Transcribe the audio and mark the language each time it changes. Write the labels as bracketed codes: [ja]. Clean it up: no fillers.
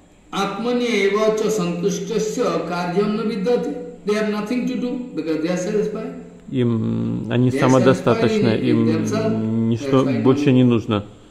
[sa] Атмани эва ча сантуштасья кардьям на виддате. [en] They have nothing to do because they are satisfied. [ru] Им они самодостаточны, им ничто больше не нужно.